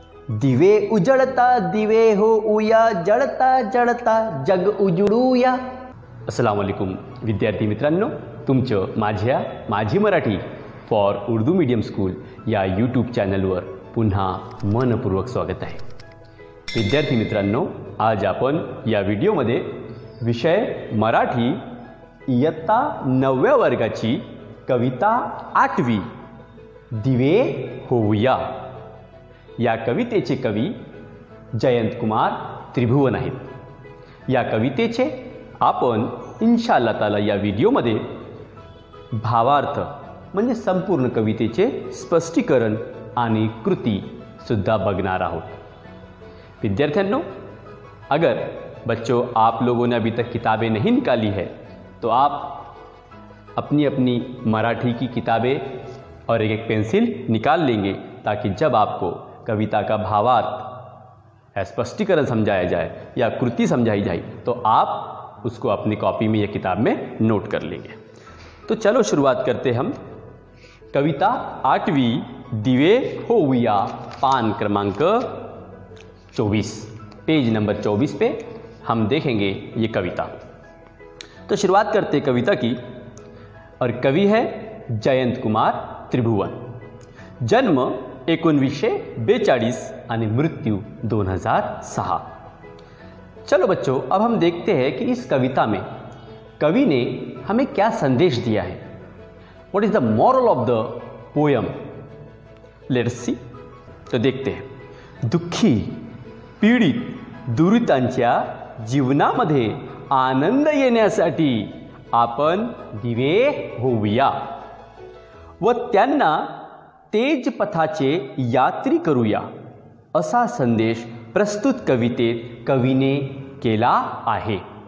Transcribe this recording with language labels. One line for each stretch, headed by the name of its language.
Marathi: दिवे उजड़ता दिवे हो उया जड़ता जड़ता जग उजड़ूया। अस्सलाम वालेकुम विद्यार्थी मित्रांनो, तुमचं माझ्या माझी Marathi for Urdu medium school या यूट्यूब चॅनलवर पुन्हा मनपूर्वक स्वागत आहे। विद्यार्थी मित्रांनो, आज आपण या व्हिडिओमध्ये विषय मराठी इयत्ता 9व्या वर्गाची कविता 8वी दिवे होऊया या कवितेचे कवी जयंत कुमार त्रिभुवन आहेत। या कवितेचे आपण इन्शाअल्लाह ताला या व्हिडिओमध्ये भावार्थ म्हणजे संपूर्ण कवितेचे स्पष्टीकरण आणि कृती सुद्धा बघणार आहोत। विद्यार्थ्यांनो,
Hindi: अगर बच्चों आप लोगों ने अभी तक किताबें नहीं निकाली है तो आप अपनी अपनी मराठी की किताबें और एक एक पेंसिल निकाल लेंगे ताकि जब आपको कविता का भावार्थ स्पष्टीकरण समझाया जाए या कृति समझाई जाए तो आप उसको अपनी कॉपी में या किताब में नोट कर लेंगे। तो चलो शुरुआत करते हम कविता 8वीं दिवे होऊया
Marathi: पान क्रमांक 24
Hindi: पेज नंबर 24 पे हम देखेंगे ये कविता। तो शुरुआत करते कविता की और कवि है जयंत कुमार त्रिभुवन।
Marathi: जन्म 1942 आणि मृत्यू 2006।
Hindi: चलो बच्चों अब हम देखते हैं कि इस कविता में कवि ने हमें क्या संदेश दिया है।
English: What is the moral of the poem, let us see.
Hindi: तो देखते हैं,
Marathi: दुखी पीड़ित दुरितांच्या जीवनामध्ये आनंद येण्यासाठी आपण दिवे होऊया व त्यांना तेज पथाचे यात्री करूया असा संदेश प्रस्तुत कवितेत कवीने केला आहे।